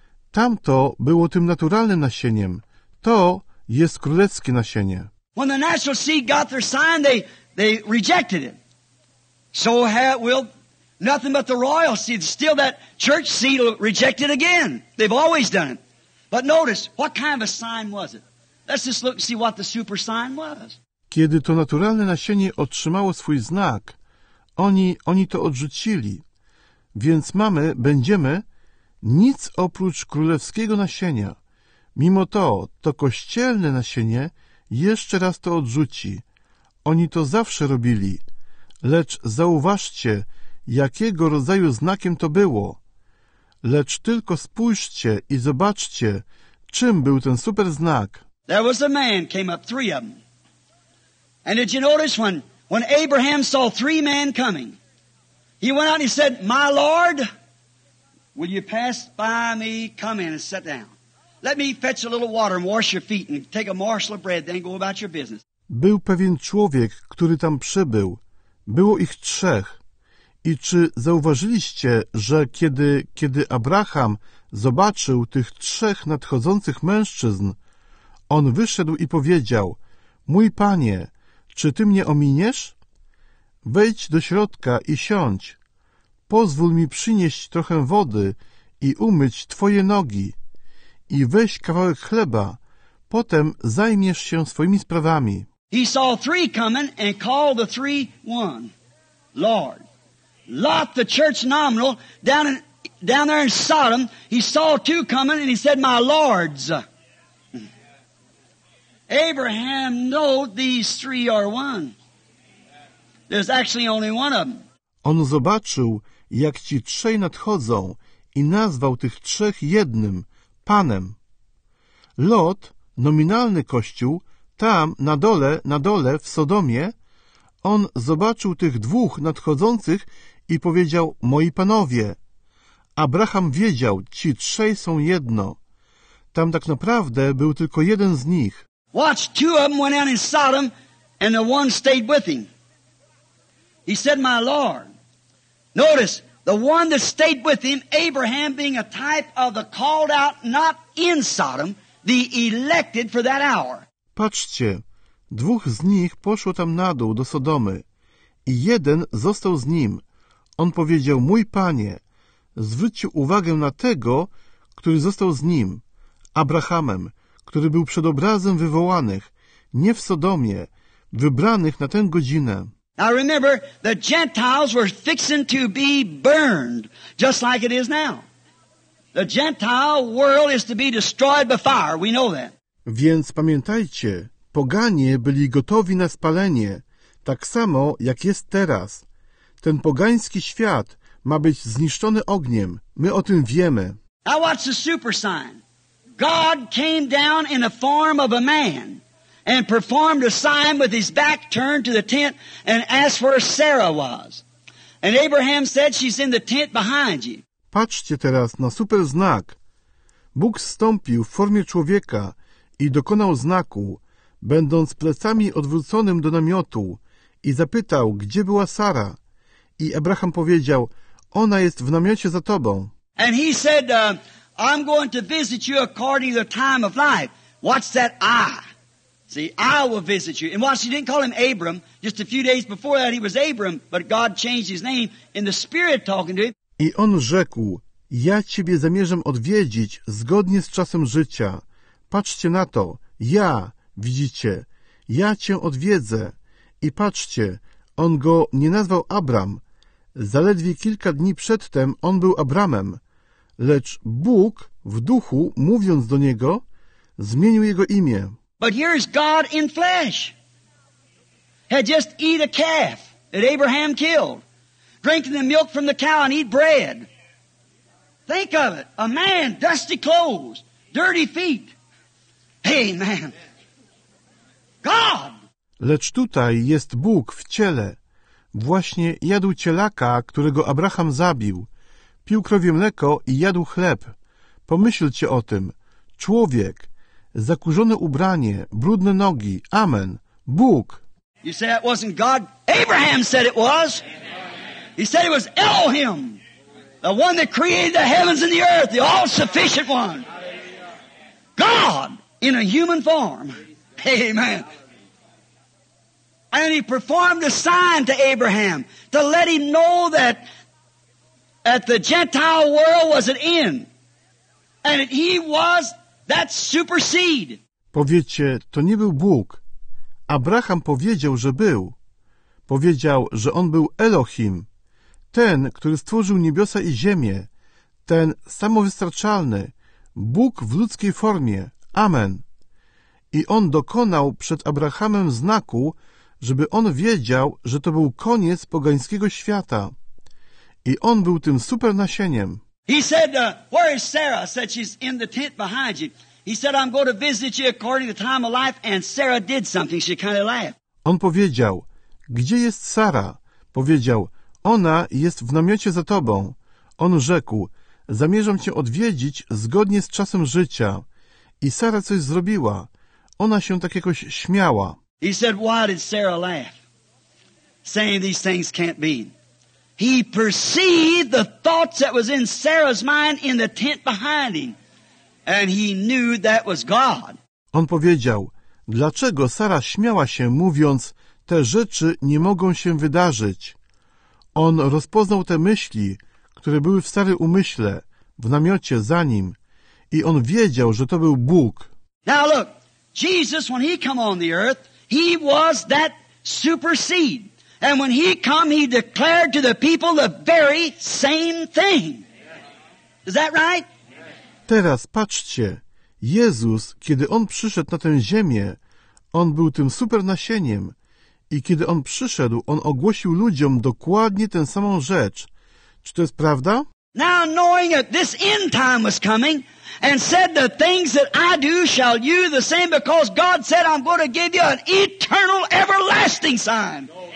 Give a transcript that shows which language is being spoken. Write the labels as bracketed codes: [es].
[pl] Tamto było tym naturalnym nasieniem. To jest królewskie nasienie. [en] When the natural seed got their sign, they rejected it. So will nothing but the royal seed. Still that church seed will reject it again. They've always done it. But notice, what kind of a sign was it? Let's just look and see what the super sign was. [pl] Kiedy to naturalne nasienie otrzymało swój znak, oni to odrzucili. Więc będziemy nic oprócz królewskiego nasienia. Mimo to kościelne nasienie jeszcze raz to odrzuci. Oni to zawsze robili. Lecz zauważcie, jakiego rodzaju znakiem to było. Lecz tylko spójrzcie i zobaczcie, czym był ten super znak. [en] There was a man came up, three of them. And did you notice when Abraham saw three men coming, he went out and he said, my Lord, will you pass by me, come in and sit down. Let me fetch a little water and wash your feet and take a morsel of bread, then go about your business. [pl] Był pewien człowiek, który tam przybył. Było ich trzech. I czy zauważyliście, że kiedy Abraham zobaczył tych trzech nadchodzących mężczyzn, on wyszedł i powiedział, mój panie, Czy ty mnie ominiesz? Wejdź do środka i siądź. Pozwól mi przynieść trochę wody i umyć twoje nogi. I weź kawałek chleba, potem zajmiesz się swoimi sprawami. [en] He saw three coming and called the three one. Lord. Lot, the church nominal, down there in Sodom, he saw two coming and he said, my lords. Abraham know these three are one. There's actually only one of them. [pl] On zobaczył, jak ci trzej nadchodzą i nazwał tych trzech jednym, Panem. Lot, nominalny kościół, tam na dole w Sodomie, on zobaczył tych dwóch nadchodzących i powiedział, moi panowie. Abraham wiedział, ci trzej są jedno. Tam tak naprawdę był tylko jeden z nich. [en] Watch, two of them went out in Sodom and the one stayed with him. He said, my Lord. Notice, the one that stayed with him, Abraham being a type of the called out, not in Sodom, the elected for that hour. [pl] Patrzcie, dwóch z nich poszło tam na dół do Sodomy i jeden został z nim. On powiedział, mój panie, zwróćcie uwagę na tego, który został z nim, Abrahamem, który był przed obrazem wywołanych, nie w Sodomie, wybranych na tę godzinę. [en] Now remember, the Gentiles were fixing to be burned, just like it is now. The Gentile world is to be destroyed by fire, we know that. [pl] Więc pamiętajcie, poganie byli gotowi na spalenie, tak samo jak jest teraz. Ten pogański świat ma być zniszczony ogniem, my o tym wiemy. [en] Now watch the super sign. God came down in the form of a man and performed a sign with his back turned to the tent and asked where Sarah was. And Abraham said, she's in the tent behind you. [pl] Patrzcie teraz na super znak. Bóg zstąpił w formie człowieka i dokonał znaku, będąc plecami odwróconym do namiotu i zapytał, gdzie była Sara. I Abraham powiedział, ona jest w namiocie za tobą. [en] And he said, I'm going to visit you according to the time of life. Watch that I. See, I will visit you. And watch, he didn't call him Abram. Just a few days before that he was Abram, but God changed his name in the spirit talking to him. [pl] I on rzekł, ja ciebie zamierzam odwiedzić zgodnie z czasem życia. Patrzcie na to, ja, widzicie, ja cię odwiedzę. I patrzcie, on go nie nazwał Abram. Zaledwie kilka dni przedtem on był Abramem. Lecz Bóg, w duchu, mówiąc do niego, zmienił jego imię. [en] But here's God in flesh. Had just eat a calf that Abraham killed. Drinking the milk from the cow and eat bread. Think of it. A man, dusty clothes, dirty feet. Amen. God! [pl] Lecz tutaj jest Bóg w ciele. Właśnie jadł cielaka, którego Abraham zabił. Pił krowie mleko i jadł chleb. Pomyślcie o tym. Człowiek. Zakurzone ubranie, brudne nogi. Amen. Bóg. [en] You say it wasn't God? Abraham said it was. He said it was Elohim. The one that created the heavens and the earth. The all-sufficient one. God in a human form. Amen. And he performed a sign to Abraham to let him know that the Gentile world was at end. And that he was that super seed. [pl] Powiecie, to nie był Bóg. Abraham powiedział, że był. Powiedział, że on był Elohim. Ten, który stworzył niebiosa i ziemię. Ten samowystarczalny. Bóg w ludzkiej formie. Amen. I on dokonał przed Abrahamem znaku, żeby on wiedział, że to był koniec pogańskiego świata. I on był tym super nasieniem. [en] He said, where is Sarah? I said, she's in the tent behind you. He said, I'm going to visit you according to the time of life. And Sarah did something. She kind of laughed. [pl] On powiedział, gdzie jest Sara? Powiedział, ona jest w namiocie za tobą. On rzekł, zamierzam cię odwiedzić zgodnie z czasem życia. I Sara coś zrobiła. Ona się tak jakoś śmiała. [en] He said, why did Sarah laugh? Saying these things can't be. He perceived the thoughts that was in Sarah's mind in the tent behind him. And he knew that was God. [pl] On powiedział, dlaczego Sara śmiała się, mówiąc, te rzeczy nie mogą się wydarzyć. On rozpoznał te myśli, które były w starym umyśle, w namiocie za nim, i on wiedział, że to był Bóg. [en] Now look, Jesus, when he come on the earth, he was that super seed. And when he come, he declared to the people the very same thing. Is that right? [pl] Teraz patrzcie, Jezus, kiedy on przyszedł na tę ziemię, on był tym super nasieniem. I kiedy on przyszedł, on ogłosił ludziom dokładnie tę samą rzecz. Czy to jest prawda? [en] Now knowing that this end time was coming, and said the things that I do shall you the same, because God said I'm going to give you an eternal everlasting sign.